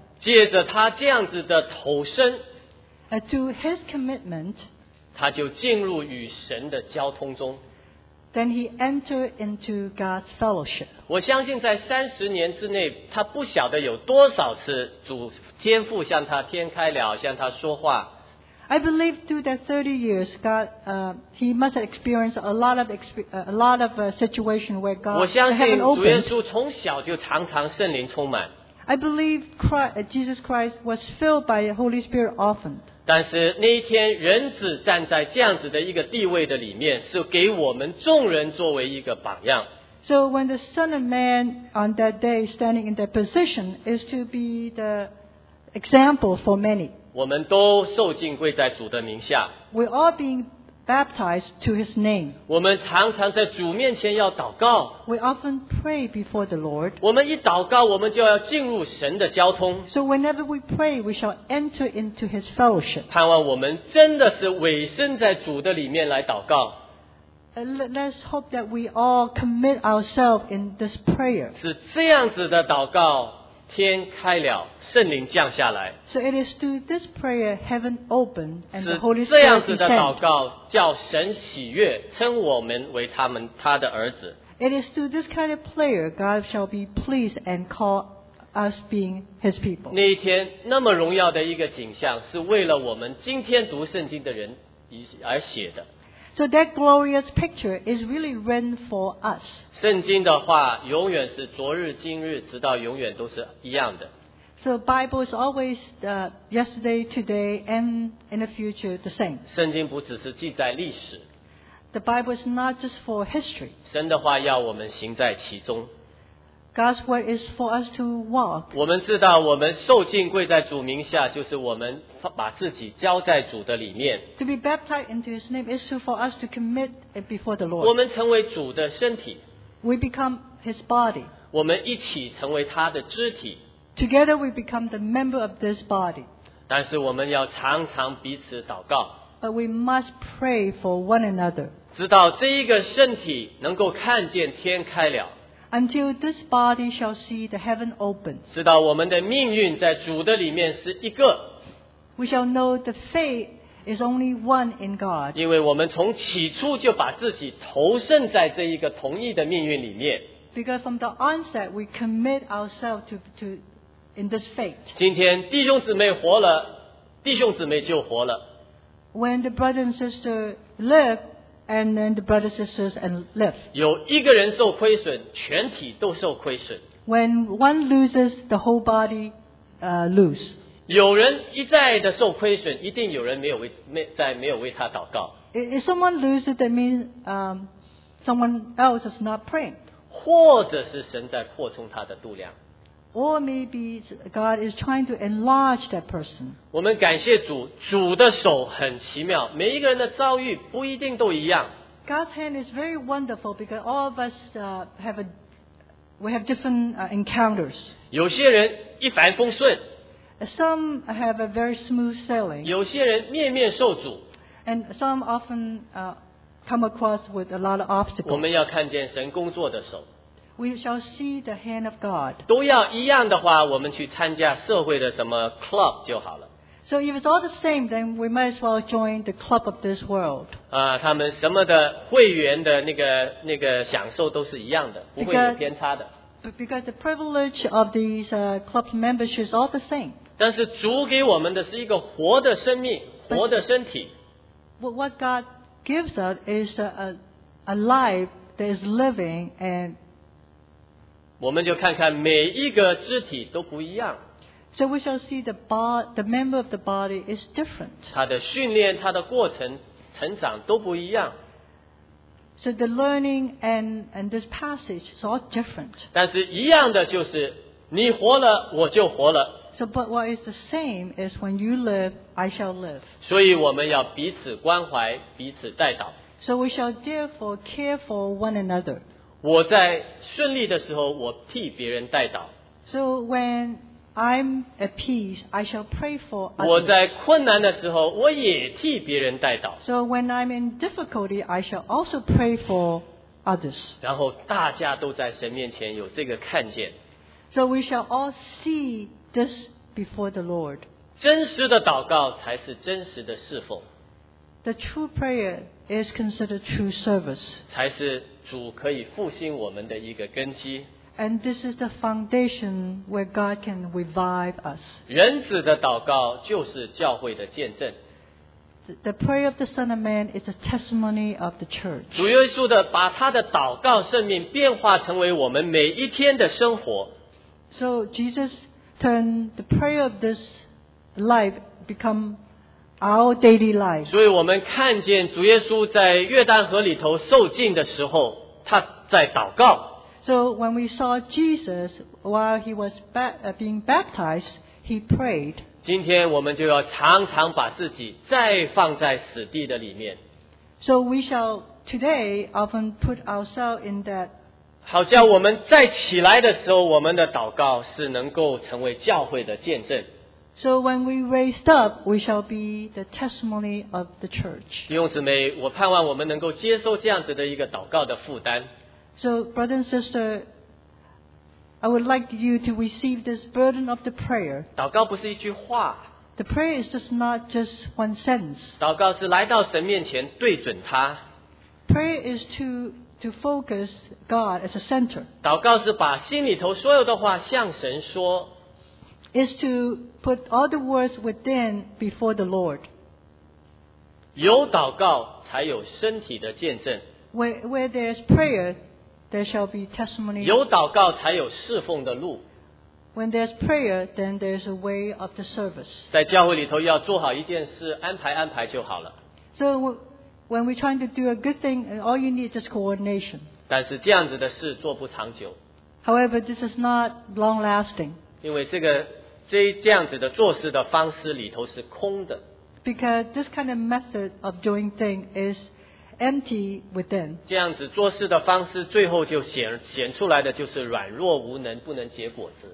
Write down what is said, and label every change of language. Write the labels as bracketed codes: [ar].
[zh] 借着他这样子的投身 [en] to his commitment, [zh] 他就进入与神的交通中 [en] then he entered into God's fellowship. [zh] 我相信在30年之内，他不晓得有多少次主天父向他天开了，向他说话。 [en] I believe through that 30 years, God, he must have experienced a lot of situation where God hasn't opened. [zh] 我相信主耶稣从小就常常圣灵充满。 [en] I believe Jesus Christ was filled by the Holy Spirit often. [zh] 但是那一天，人子站在这样子的一个地位的里面，是给我们众人作为一个榜样。 [en] So when the Son of Man on that day standing in that position is to be the example for many. [zh] 我们都受浸归在主的名下。 [en] We all being baptized to his name. [zh] 我们常常在主面前要祷告。 [en] We often pray before the Lord. [zh] 我们一祷告，我们就要进入神的交通。 [en] So whenever we pray, we shall enter into his fellowship. [zh] 盼望我们真的是委身在主的里面来祷告。 [en] Let's hope that we all commit ourselves in this prayer. [zh] 是这样子的祷告，天开了，圣灵降下来。 [en] So it is through this prayer, heaven opened, and the Holy [zh] 是这样子的祷告，叫神喜悦，称我们为他的儿子。 [en] It is through this kind of prayer, God shall be pleased and call us being his people. [zh] 那一天，那么荣耀的一个景象，是为了我们今天读圣经的人而写的。 [en] So that glorious picture is really written for us. [zh] 圣经的话永远是昨日今日直到永远都是一样的。 [en] So Bible is always yesterday, today, and in the future the same. [zh] 圣经不只是记载历史。 [en] The Bible is not just for history. [zh] 神的话要我们行在其中。 [en] God's word is for us to walk. [zh] 我们知道我们受浸跪在主名下，就是我们把自己交在主的里面。 [en] To be baptized into his name is for us to commit it before the Lord. [zh] 我们成为主的身体。 [en] We become his body. [zh] 我们一起成为他的肢体。 [en] Together we become the member of this body. [zh] 但是我们要常常彼此祷告。 [en] But we must pray for one another. [zh] 直到这一个身体能够看见天开了。 [en] Until this body shall see the heaven open. [zh] 直到我们的命运在主的里面是一个。 [en] We shall know the faith is only one in God. [zh] 因为我们从起初就把自己投身在这一个同一的命运里面。 [en] Because from the onset, we commit ourselves to in this faith. [zh] 今天弟兄姊妹活了，弟兄姊妹就活了。 [en] When the brother and sister live, and then the brothers and sisters and live. [zh] 有一个人受亏损，全体都受亏损。 [en] When one loses, the whole body lose. [zh] 有人一再的受亏损，一定有人没有为没有为他祷告。 [en] If someone loses, that means someone else is not praying. [zh] 或者是神在扩充他的度量。 [en] Or maybe God is trying to enlarge that person. [zh] 我们感谢主，主的手很奇妙，每一个人的遭遇不一定都一样。 [en] God's hand is very wonderful because all of us have different encounters. [zh] 有些人一帆风顺。 [en] Some have a very smooth sailing. [zh] 有些人面面受阻。 [en] And some often come across with a lot of obstacles. [zh] 我们要看见神工作的手。 [en] We shall see the hand of God. [zh] 都要一样的话，我们去参加社会的什么 club 就好了。 [en] So if it's all the same, then we might as well join the club of this world. [zh] 他们什么的会员的那个享受都是一样的，不会有偏差的。 [en] Because the privilege of these club memberships is all the same. [zh] 但是主给我们的是一个活的生命，活的身体。 [en] But what God gives us is a life that is living and [zh] 我们就看看每一个肢体都不一样。 [en] So we shall see the member of the body is different. [zh] 他的训练，他的过程，成长都不一样。 [en] So the learning and this passage is all different. [zh] 但是一样的就是你活了，我就活了。 [en] So but what is the same is when you live, I shall live. [zh] 所以我们要彼此关怀，彼此代祷。 [en] So we shall therefore care for one another. [zh] 我在顺利的时候，我替别人代祷。 [en] So when I'm at peace, I shall pray for others. [zh] 我在困难的时候，我也替别人代祷。 [en] So when I'm in difficulty, I shall also pray for others. [zh] 然后大家都在神面前有这个看见。 [en] So we shall all see this before the Lord. [zh] 真实的祷告才是真实的侍奉。 [en] The true prayer is considered true service. [zh] 才是主可以复兴我们的一个根基。 [en] And this is the foundation where God can revive us. [zh] 人子的祷告就是教会的见证。 [en] The prayer of the Son of Man is a testimony of the church. [zh] 主耶稣的把他的祷告生命变化成为我们每一天的生活。 [en] So Jesus turned the prayer of this life become our daily life. [zh] 所以我们看见主耶稣在约旦河里头受浸的时候，他在祷告。 [en] So when we saw Jesus while he was being baptized, he prayed. [zh] 今天我们就要常常把自己再放在死地的里面。 [en] So we shall today often put ourselves in that. [zh] 好叫我们再起来的时候，我们的祷告是能够成为教会的见证。 [en] So when we raised up, we shall be the testimony of the church. [zh] 弟兄姊妹，我盼望我们能够接受这样子的一个祷告的负担。 [en] So brother and sister, I would like you to receive this burden of the prayer. [zh] 祷告不是一句话。 [en] The prayer is just not just one sentence. [zh] 祷告是来到神面前对准他。 [en] Prayer is to focus God as a center. [zh] 祷告是把心里头所有的话向神说。 [en] Is to put all the words within before the Lord. [zh] 有祷告才有身体的见证。 [en] Where there is prayer, there shall be testimony. [zh] 有祷告才有侍奉的路。 [en] When there's prayer, then there's a way of the service. [zh] 在教会里头要做好一件事，安排安排就好了。 [en] So when we're trying to do a good thing, all you need is coordination. [zh] 但是这样子的事做不长久。 [en] However, this is not long lasting. [zh] 因为这样子的做事的方式里头是空的。 [en] Because this kind of method of doing things is empty within. [zh] 这样子做事的方式最后就显出来的就是软弱无能，不能结果子。